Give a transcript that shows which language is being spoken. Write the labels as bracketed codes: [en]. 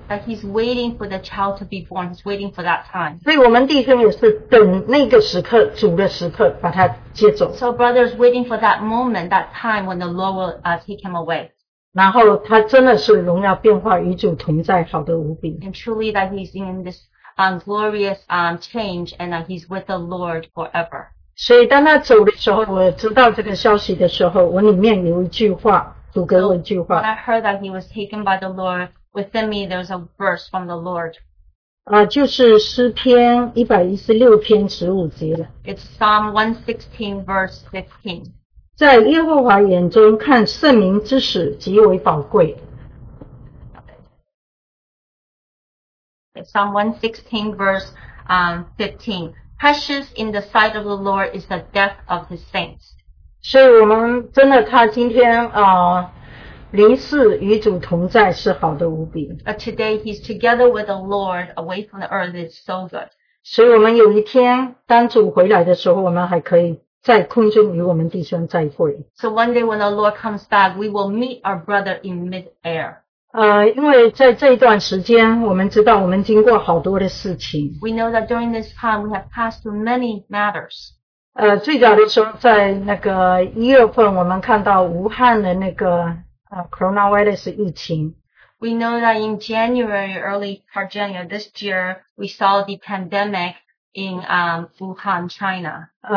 [en] But he's waiting for the child to be born. He's waiting for that time. [zh] 所以我们弟兄也是等那个时刻，主的时刻把他接走。 [en] So brother's waiting for that moment, that time when the Lord will take him away. [zh] 然后他真的是荣耀变化，与主同在，好得无比。 [en] And truly that he's in this glorious change and that he's with the Lord forever. [zh] 所以当他走的时候，我知道这个消息的时候，我里面有一句话，主给我一句话。 [en] When I heard that he was taken by the Lord, within me there's a verse from the Lord. [zh] 就是诗篇116篇15节。 [en] It's Psalm 116 verse 15. [zh] 在耶和华眼中看圣民之使极为宝贵 [en] Psalm 116 verse 15. Precious in the sight of the Lord is the death of his saints. [zh] 所以我们真的看今天, 临死与主同在是好的无比。 [en] Today he's together with the Lord away from the earth is so good. [zh] 所以我们有一天当主回来的时候, 我们还可以在空中与我们弟兄再会。 [en] So one day when the Lord comes back, we will meet our brother in mid-air. [zh] 因为在这一段时间, 我们知道我们经过好多的事情。 [en] We know that during this time, we have passed through many matters. [zh] 最早的时候在那个1月份, 我们看到武汉的那个 coronavirus 疫情。 [en] We know that in January, early part January this year, we saw the pandemic in Wuhan, China.